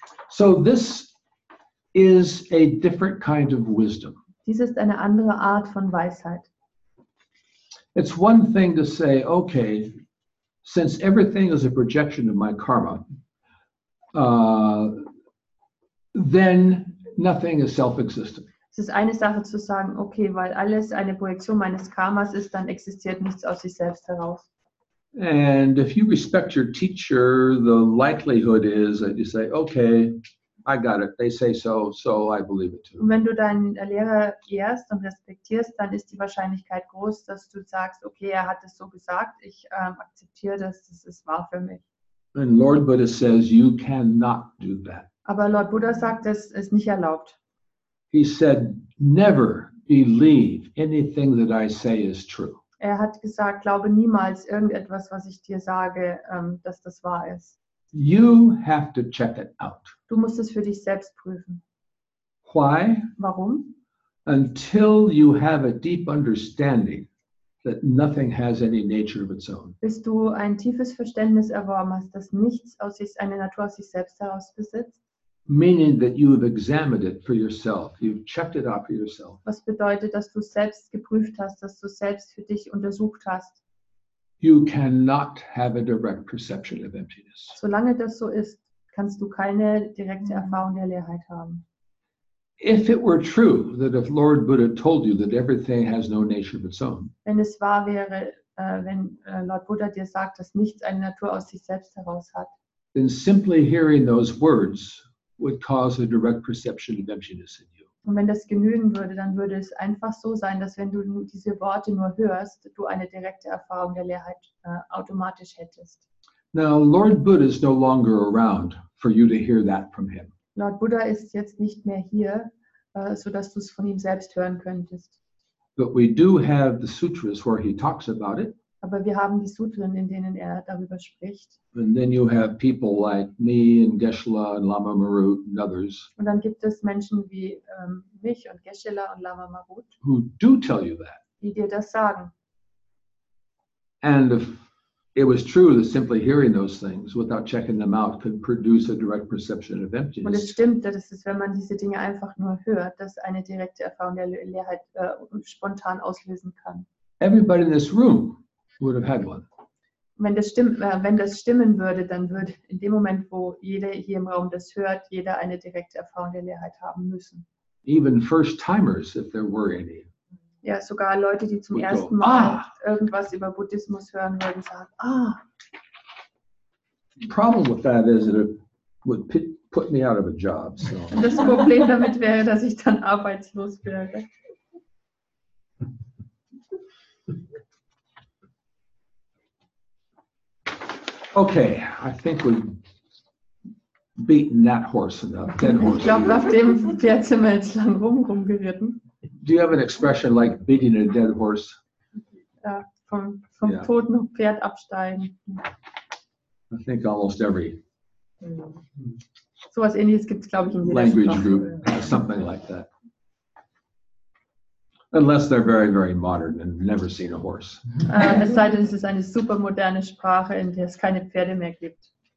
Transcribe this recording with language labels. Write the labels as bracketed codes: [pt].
[en] So this is a different kind of wisdom. [de] Dies ist eine andere Art von Weisheit. [en] It's one thing to say, okay, since everything is a projection of my karma, then nothing is self-existent. [de] Es ist eine Sache zu sagen, okay, weil alles eine Projektion meines Karmas ist, dann existiert nichts aus sich selbst heraus. [en] And if you respect your teacher, the likelihood is that you say, okay, I got it. They say so, so I believe it too. [de] Und wenn du deinen Lehrer ehrst und respektierst, dann ist die Wahrscheinlichkeit groß, dass du sagst, okay, er hat es so gesagt, ich akzeptiere das, das ist wahr für mich. [en] And Lord Buddha says, you cannot do that. [de] Aber Lord Buddha sagt, das ist nicht erlaubt. [en] He said, never believe anything that I say is true. [de] Er hat gesagt, glaube niemals irgendetwas, was ich dir sage, dass das wahr ist. [en] You have to check it out. [de] Du musst es für dich selbst prüfen. [en] Why? [de] Warum? [en] Until you have a deep understanding that nothing has any nature of its own. [de] Bis du ein tiefes Verständnis erworben hast, dass nichts aus sich, eine Natur aus sich selbst heraus besitzt. [en] Meaning that you have examined it for yourself. You've checked it out for yourself. [de] Was bedeutet, dass du selbst geprüft hast, dass du selbst für dich untersucht hast? [en] You cannot have a direct perception of emptiness. [de] Solange das so ist, kannst du keine direkte Erfahrung der Leerheit haben. [en] If it were true that if Lord Buddha told you that everything has no nature of its own. [de] Wenn es wahr wäre, wenn Lord Buddha dir sagt, dass nichts eine Natur aus sich selbst heraus hat. [en] Then simply hearing those words would cause a direct perception of emptiness in you. [de] Und wenn das genügen würde, dann würde es einfach so sein, dass wenn du diese Worte nur hörst, du eine direkte Erfahrung der Leerheit automatisch hättest. [en] Now, Lord Buddha is no longer around for you to hear that from him. [de] Lord Buddha ist jetzt nicht mehr hier, so dass du es von ihm selbst hören könntest. [en] But we do have the sutras where he talks about it. [de] Aber wir haben die Sutren, in denen er darüber spricht. [en] And then you have people like me and Geshe-la and Lama Marut and others. [de] Und dann gibt es Menschen wie mich und Geshe-la und Lama Marut. [en] Who do tell you that. [de] Die dir das sagen. [en] And if it was true that simply hearing those things without checking them out could produce a direct perception of emptiness. [de] Und es stimmt, dass es, wenn man diese Dinge einfach nur hört, dass eine direkte Erfahrung der Leerheit spontan auslösen kann. [en] Everybody in this room would have had one. [de] Wenn das stimmt, wenn das stimmen würde, dann würde in dem Moment, wo jeder hier im Raum das hört, jeder eine direkte Erfahrung der Leerheit haben müssen. [en] Even first timers, if there were any. [de] Ja, sogar Leute, die zum ersten Mal irgendwas über Buddhismus hören würden, sagen, ah. [en] The problem with that is that it would put me out of a job. [de] So. Das Problem damit wäre, dass ich dann arbeitslos wäre. [en] Okay, I think we've beaten that horse enough. [de] Den ich glaube, auf dem Pferd sind wir jetzt lang rumgeritten. [en] Do you have an expression like beating a dead horse? [de] Ja, vom [en] yeah. [de] toten Pferd absteigen. [en] I think almost every. [de] So was ähnliches gibt es, glaube ich, in jeder [en] language group, something like that. Unless they're very, very modern and never seen a horse. [de] Es sei denn, es ist eine super moderne Sprache, in der es keine Pferde mehr gibt.